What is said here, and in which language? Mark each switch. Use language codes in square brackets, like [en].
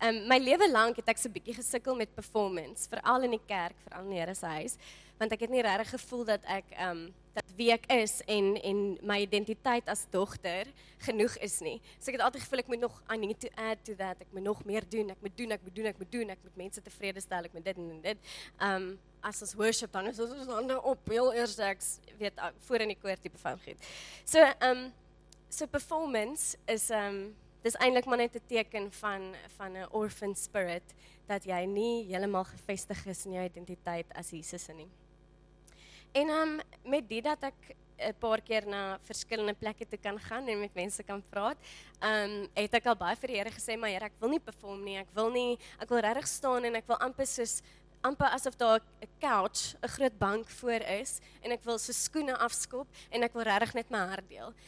[af] My lewe lank het ek so 'n bietjie gesukkel met performance, veral in die kerk, veral in die Here se huis, want ek het nie regtig gevoel dat ek dat wie ek is en my identiteit as dogter genoeg is nie. So ek het altyd gevoel ek moet nog [en] I need to add to that. [af] Ek moet nog meer doen. Ek moet doen. Ek moet mense tevrede stel. Ek moet dit en dit. As ons worship dan is ons hande op heel eers ek weet voor in die koor tipe van goed. So performance is dis eintlik maar net 'n teken van 'n orphan spirit dat jy nie heeltemal gevestig is in jou identiteit as Jesus nie. En met dit dat ek 'n paar keer na verskillende plekke toe kan gaan en met mense kan praat, het ek al baie vir die Here gesê, maar Here, ek wil nie perform nie, ek wil regtig staan en ek wil amper asof daar 'n couch, 'n groot bank voor is en ek wil se skoene afskop en ek wil regtig net my hart deel.